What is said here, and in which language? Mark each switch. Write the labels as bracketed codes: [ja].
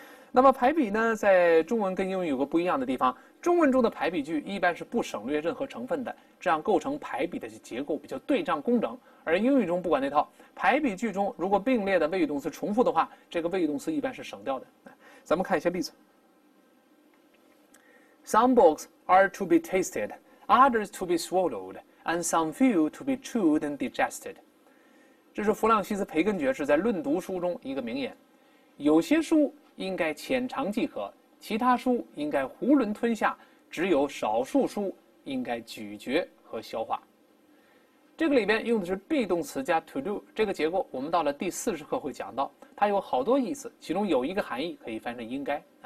[zh] 那么排比呢，在中文跟英语有个不一样的地方，中文中的排比句一般是不省略任何成分的，这样构成排比的结构比较对仗工整。而英语中不管那套，排比句中如果并列的谓语动词重复的话，这个谓语动词一般是省掉的。咱们看一些例子。 [en] Some books are to be tasted, others to be swallowed, and some few to be chewed and digested. [zh] 这是弗朗西斯·培根爵士在论读书中一个名言，有些书应该浅尝即可，其他书应该囫囵吞下，只有少数书应该咀嚼和消化。这个里边用的是 be 动词加 to do， 这个结构我们到了第40课会讲到，它有好多意思，其中有一个含义可以翻译成应该。